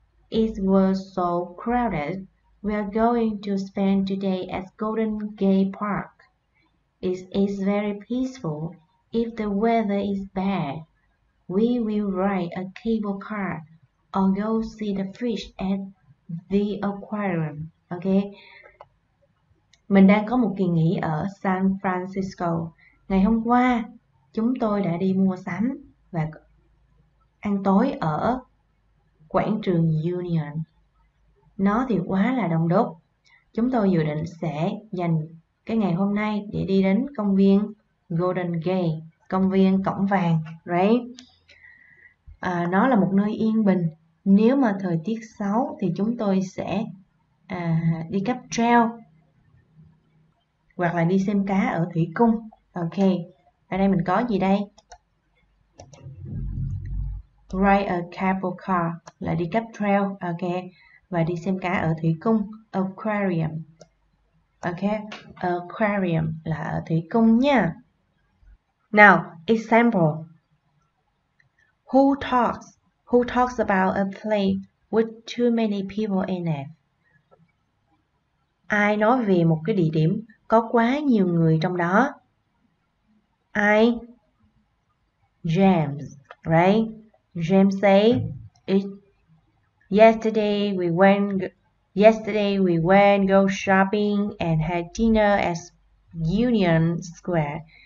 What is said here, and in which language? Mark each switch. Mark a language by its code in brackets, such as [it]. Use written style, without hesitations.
[en] It was so crowded. We are going to spend today at Golden Gate Park. It is very peaceful. If the weather is bad, we will ride a cable car or go see the fish at the aquarium. Okay. [vi] Mình đang có một kỳ nghỉ ở San Francisco. Ngày hôm qua, chúng tôi đã đi mua sắm và ăn tối ở quảng trường Union. Nó thì quá là đông đúc. Chúng tôi dự định sẽ dành cái ngày hôm nay để đi đến công viên Golden Gate, công viên cổng vàng, right? À, nó là một nơi yên bình. Nếu mà thời tiết xấu thì chúng tôi sẽ đi cáp treo hoặc là đi xem cá ở thủy cung. Ok, ở đây mình có gì đây? Ride a cable car là đi cáp treo. Ok, và đi xem cá ở thủy cung. Aquarium. Ok, aquarium là ở thủy cung nha. [en] Now, example. Who talks about a play with too many people in it? [vi] Ai nói về một cái địa điểm có quá nhiều người trong đó? Ai? James, right? [en] James say, yesterday we went go shopping and had dinner at Union Square.